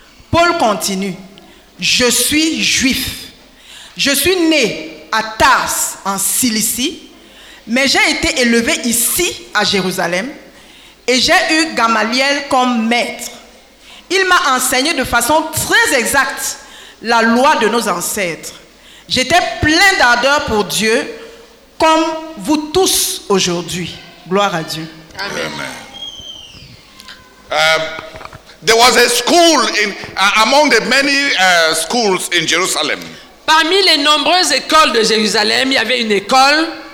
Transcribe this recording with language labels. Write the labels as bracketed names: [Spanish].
[French] Paul continue, « Je suis juif. Je suis né à Tarse, en Cilicie, mais j'ai été élevé ici, à Jérusalem. » Et j'ai eu Gamaliel comme maître. Il m'a enseigné de façon très exacte la loi de nos ancêtres. J'étais plein d'ardeur pour Dieu, comme vous tous aujourd'hui. Gloire à Dieu. Amen. [English] There was a school among the many schools in Jerusalem. [French] Parmi les nombreuses écoles de Jérusalem, il y avait une école.